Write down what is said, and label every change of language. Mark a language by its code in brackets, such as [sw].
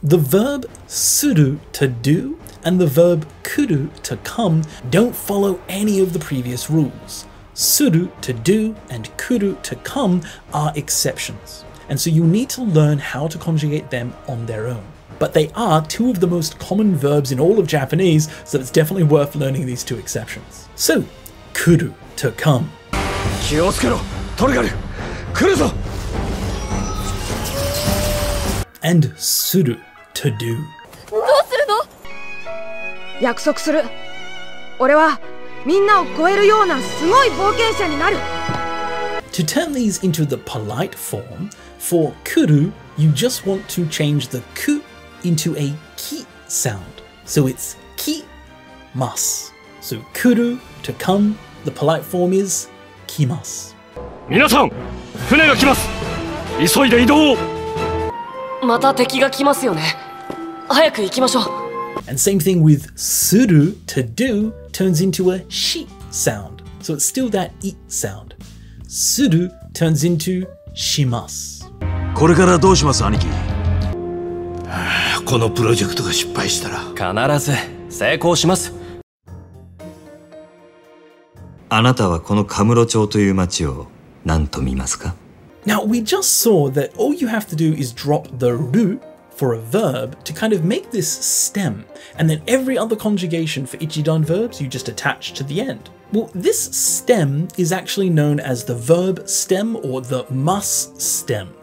[en] The verb suru, to do, and the verb kuru, to come, don't follow any of the previous rules. Suru, to do, and kuru, to come, are exceptions. And so you need to learn how to conjugate them on their own. But they are two of the most common verbs in all of Japanese, so it's definitely worth learning these two exceptions. So, kuru, to come. [ja] 気をつけろ、とにかく来るぞ! [en] And suru, to do. [ja] どうするの? 約束する! 俺はみんなを超えるようなすごい冒険者になる! [en] To turn these into the polite form, for kuru, you just want to change the ku into a ki sound. So it's kimasu. So kuru, to come, the polite form is kimasu. [ja] 皆さん、船が来ます。急いで移動。また敵が来ますよね。早く行きましょう。 [en] And same thing with suru, to do, turns into a shi sound. So it's still that i sound. Suru turns into shimasu. [ja] これからどうします、兄貴?このプロジェクトが失敗したら必ず成功します。あなたはこのカムロ町という町を何と見ますか? [en] Now, we just saw that all you have to do is drop the ru for a verb to kind of make this stem, and then every other conjugation for ichidan verbs you just attach to the end. Well, this stem is actually known as the verb stem or the masu stem.